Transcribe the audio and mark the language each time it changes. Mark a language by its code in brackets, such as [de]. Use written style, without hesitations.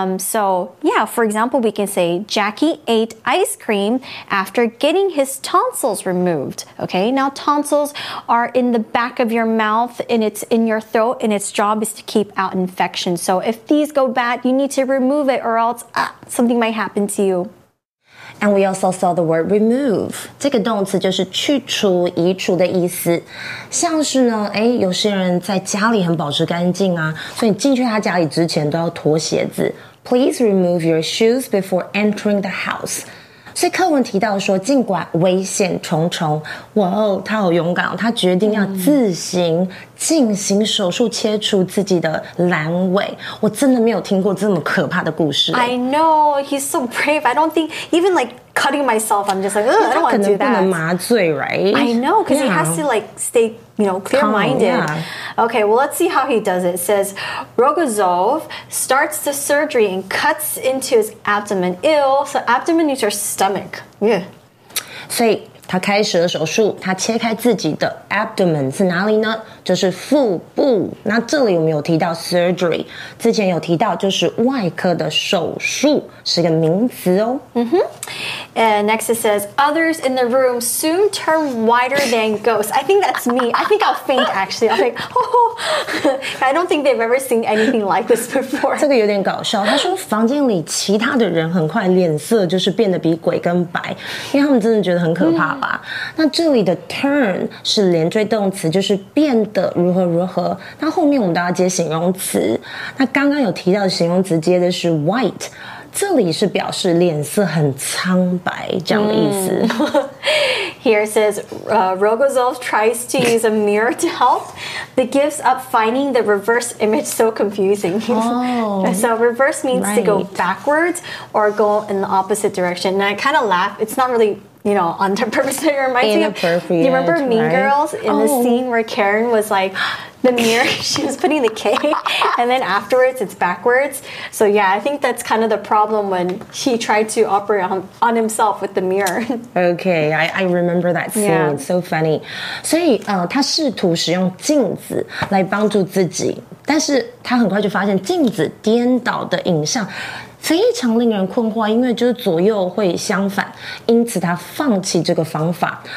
[en] For example,we can say Jackie ate ice cream after getting his tonsils removed. Okay, now tonsils are in the back of your mouth and it's in your throat and its job is to keep out infection. So if these go bad, you need to remove it or else something might happen to you. And we also saw the word remove. [zh] 这个动词就是去除、移除的意思。像是呢，哎，有些人在家里很保持干净啊，所以进去他家里之前都要脱鞋子。 [en] Please remove your shoes before entering the house. [zh] 所以课文提到说，尽管危险重重，哇哦，他好勇敢哦，他决定要自行进行手术切除自己的阑尾。我真的没有听过这么可怕的故事。 [en] I know, he's so brave. I don't think, even like cutting myself, I'm just like, I don't want to do that. [zh] 他可能不能麻醉, [en] right? I know, because he has to like stay, you know, clear-minded. Calm, Okay, well, let's see how he does it. It says, Rogozov starts the surgery and cuts into his abdomen. Ew, so abdomen is your stomach. Yeah. [zh] 所以他开始了手术，他切开自己的 abdomen 是哪里呢？就是腹部。那这里我们有提到 surgery， 之前有提到就是外科的手术，是个名词哦。 Mm-hmm. [en] And next it says, others in the room soon turn whiter than ghosts. I think that's me. I think I'll faint, actually. I'm like, oh. I don't think they've ever seen anything like this before. [zh] 这个有点搞笑。他说房间里其他的人很快脸色就是变得比鬼更白，因为他们真的觉得很可怕。那这里的 turn 是连缀动词，就是变得如何如何。那后面我们都要接形容词。那刚刚有提到的形容词接的是 white， 这里是表示脸色很苍白这样的意思。 [en] Here it says, Rogozov tries to use a mirror to help, but gives up finding the reverse image so confusing. So reverse means to go backwards or go in the opposite direction. And I kind of laugh. It's not really... You know, on purpose, it reminds me of, you remember Mean Girls in the scene where Karen was like, the mirror, she was putting the K, and then afterwards it's backwards. So yeah, I think that's kind of the problem when he tried to operate on himself with the mirror. Okay, I remember that scene, yeah. It's so funny. [zh] 所以他试图使用镜子来帮助自己，但是他很快就发现镜子颠倒的影像非常令人困惑，因为就是左右会相反，因此他放弃这个方法。